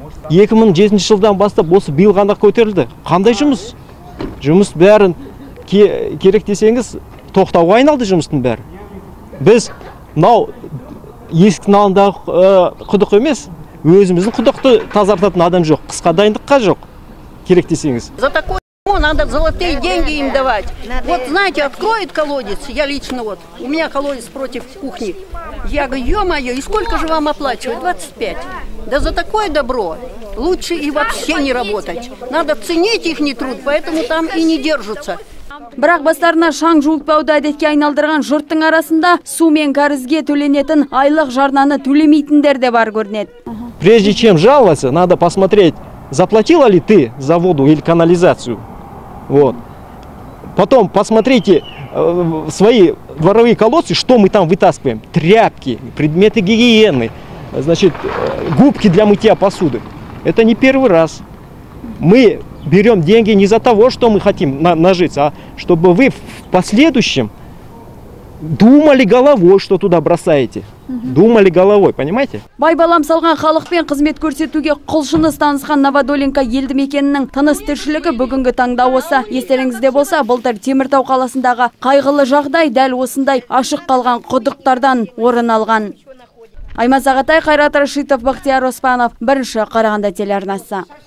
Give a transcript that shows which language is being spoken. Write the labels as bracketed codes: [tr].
[kk] 2007 жылдан бастап осы биыл ғана көтерілді. Қандай жұмыс? Жұмыс бәрін керек десеңіз тоқтауға айналды жұмыстың бәрі. Біз мынау есіктің алдындағы құдық емес, өзіміздің құдықты тазартатын адам жоқ, қысқа дайындыққа жоқ, керек десеңіз. [ru] За такое надо золотые деньги им давать. Вот знаете, откроет колодец, я лично вот, у меня колодец против кухни. Я говорю, ё-моё, и сколько же вам оплачивают? 25. Да за такое добро лучше и вообще не работать. Надо ценить их труд, поэтому там и не держатся. Бірақ бастарына шаң жуытпауды әдетке айналдырған жұрттың арасында су мен кәрізге төленетін айлық жарнаны төлемейтіндер де бар көрінеді. Прежде чем жаловаться, надо посмотреть, заплатила ли ты за воду или канализацию. Вот. Потом посмотрите свои дворовые колодцы, что мы там вытаскиваем. Тряпки, предметы гигиены, значит, губки для мытья посуды. Это не первый раз. Мы берем деньги не за того, что мы хотим нажиться, а чтобы вы в последующем думали головой, что туда бросаете. Думали головой, понимаете? [kk] Байбалам салған халық пен қызмет көрсетуге құлшыны станысқан Новодолинка елді мекенінің тыныс тіршілігі бүгінгі таңда осы. Естеріңізде болса, былтыр Теміртау қаласындағы қайғылы жағдай дәл осындай ашық қалған құдықтардан орын алған. Аймаз Ағатай, Қайрат Рашитов, Бақтияр Оспанов, бірінші Қарағанды телеарнасы.